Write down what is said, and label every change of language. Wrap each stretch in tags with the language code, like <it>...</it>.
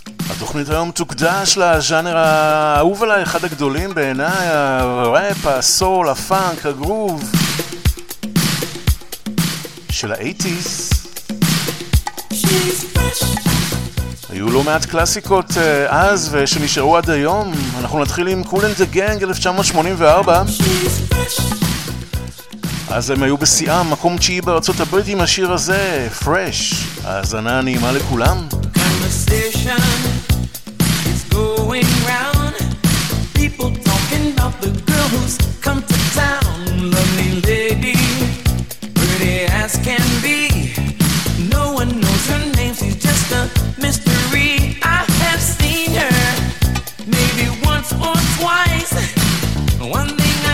<he>התוכנית היום תוקדש לז'אנר האהוב עליי, אחד הגדולים בעיניי, הראפ, הסול, הפאנק, הגרוב של ה-80s. היו לא מעט קלאסיקות אז ושנשארו עד היום. אנחנו נתחיל עם Cool and the Gang 1984. אז הם היו בשיאה, מקום תשיעי בארצות הברית עם השיר הזה, Fresh. האזנה נעימה לכולם.</he> <en>Conversation is going round. People talking about the girl who's come to town. Lovely lady, pretty as can be. No one knows her name, she's just a mystery. I have seen her, maybe once or twice. One day.</en>